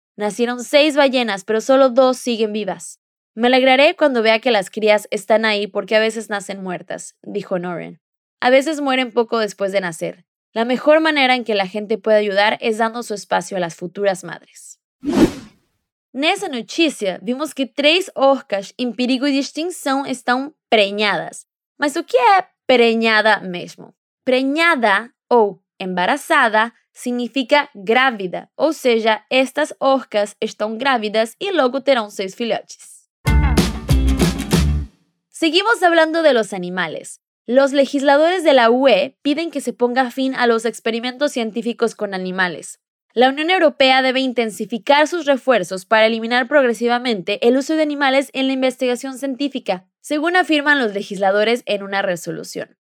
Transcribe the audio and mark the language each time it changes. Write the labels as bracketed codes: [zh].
[es] Nacieron 6 ballenas, pero solo 2 siguen vivas. Me alegraré cuando vea que las crías están ahí porque a veces nacen muertas, dijo Noren. A veces mueren poco después de nacer. La mejor manera en que la gente puede ayudar es dando su espacio a las futuras madres. [pt] Nessa notícia, vimos que 3 orcas em perigo de extinção estão preñadas. Mas o que é preñada mesmo? Preñada ou embarazada significa grávida, ou seja, estas orcas estão grávidas e logo terão 6 filhotes. [es] Seguimos hablando de los animales. Los legisladores de la UE piden que se ponga fin a los experimentos científicos con animales. La Unión Europea debe intensificar sus refuerzos para eliminar progresivamente el uso de animales en la investigación científica, según afirman los legisladores en una resolución.